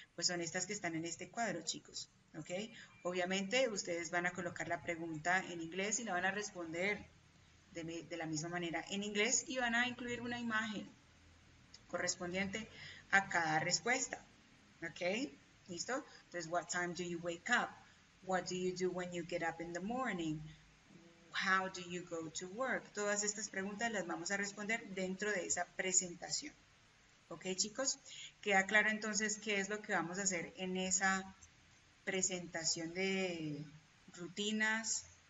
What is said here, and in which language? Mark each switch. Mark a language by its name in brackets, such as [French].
[Spanish] Pues son estas que están en este cuadro, chicos, ¿ok? Obviamente ustedes van a colocar la pregunta en inglés y la van a responder de la misma manera en inglés y van a incluir una imagen correspondiente a cada respuesta. [English] Okay, [Spanish] ¿listo? Entonces, [English] what time do you wake up? What do you do when you get up in the morning? How do you go to work? [Spanish] Todas estas preguntas las vamos a responder dentro de esa presentación. Okay, chicos, queda claro entonces qué es lo que vamos a hacer en esa presentación de rutinas.